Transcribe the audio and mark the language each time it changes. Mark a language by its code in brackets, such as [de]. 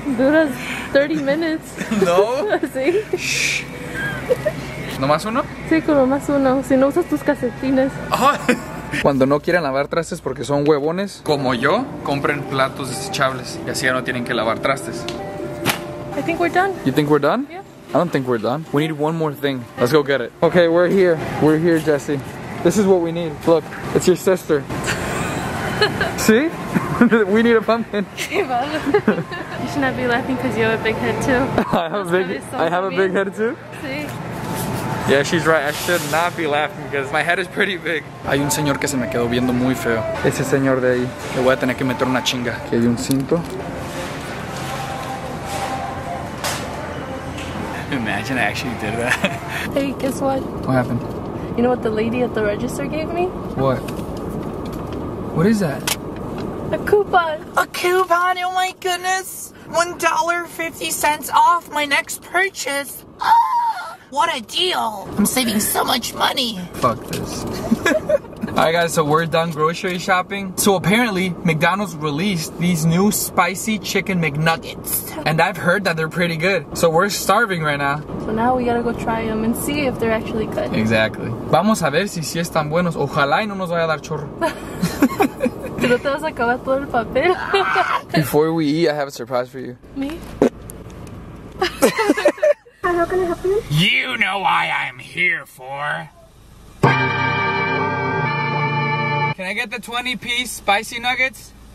[es] Duras [en] 30 minutes. [es] ¿No? ¿Sí? ¿No más uno? Sí, con lo más uno. Si no usas tus calcetines. Cuando no quieran lavar trastes porque son huevones, como yo, compren platos desechables y así ya no tienen que lavar trastes. [en] I think we're done. You think we're done? Yeah. I don't think we're done. We need one more thing. Let's go get it. Okay, we're here. We're here, Jesse. This is what we need. Look, it's your sister. See? We need a pumpkin. You should not be laughing because you have a big head too. I have a big head too. Yeah, she's right. I should not be laughing because my head is pretty big. [es] Hay un señor que se me quedó viendo muy feo. Ese señor de ahí. Le voy a tener que meter una chinga. Aquí hay un cinto. [en] Imagine I actually did that. Hey, guess what? What happened? You know what the lady at the register gave me? What? What is that? A coupon. A coupon? Oh my goodness. $1.50 off my next purchase. What a deal! I'm saving so much money! Fuck this. Alright guys, so we're done grocery shopping. So apparently, McDonald's released these new spicy chicken McNuggets. And I've heard that they're pretty good. So we're starving right now. So now we gotta go try them and see if they're actually good. Exactly. [es] Vamos a ver si están buenos. Ojalá y no nos vaya a dar chorro. Si no te vas a acabar todo el papel. [en] Before we eat, I have a surprise for you. Me? How can I help you? You know why I'm here for. Can I get the 20-piece spicy nuggets?